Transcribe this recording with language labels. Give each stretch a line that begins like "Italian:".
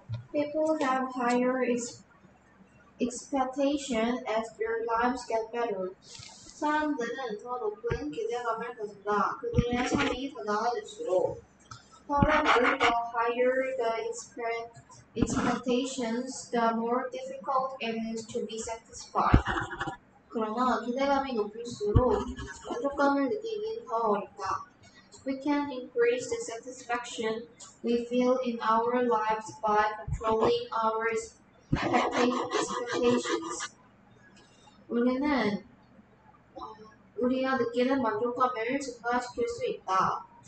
English: People have higher expectation as their lives get better.
Korean: 사람들은 더 높은 기대감을 가진다. 그들의 삶이 더 나아질수록. 사람들은 더
English: higher the expectations, the more difficult it is to be satisfied.
Korean: 그러나 기대감이 높을수록 만족감을 느끼긴 더 어렵다.
English: We can increase the satisfaction we feel in our lives by controlling our expectations.
Korean: 우리는 우리가 느끼는 만족감을 증가시킬 수 있다.